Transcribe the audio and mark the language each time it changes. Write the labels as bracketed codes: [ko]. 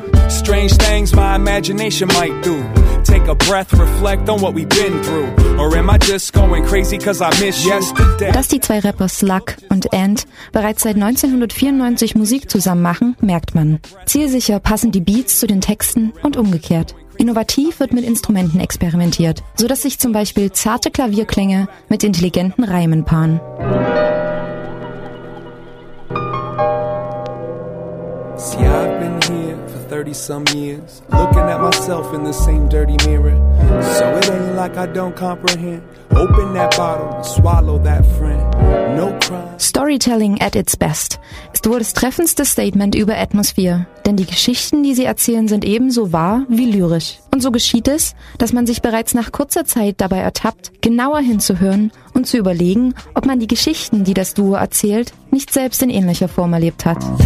[en] Strange things my imagination might do. Take a breath, reflect on what we've been through. Or am I just going crazy cause I miss yesterday? [de] Dass die zwei Rapper Slug und Ant bereits seit 1994 Musik zusammen machen, merkt man. Zielsicher passen die Beats zu den Texten und umgekehrt. Innovativ wird mit Instrumenten experimentiert, sodass sich zum Beispiel zarte Klavierklänge mit intelligenten Reimen paaren. [en] See, I've been here for 30-some years, looking at myself in the same dirty mirror. So it ain't like I don't comprehend. Open that bottle, swallow that friend. No crime. Storytelling at its best [de] ist wohl das treffendste Statement über Atmosphäre, denn die Geschichten, die sie erzählen, sind ebenso wahr wie lyrisch. Und so geschieht es, dass man sich bereits nach kurzer Zeit dabei ertappt, genauer hinzuhören und zu überlegen, ob man die Geschichten, die das Duo erzählt, nicht selbst in ähnlicher Form erlebt hat.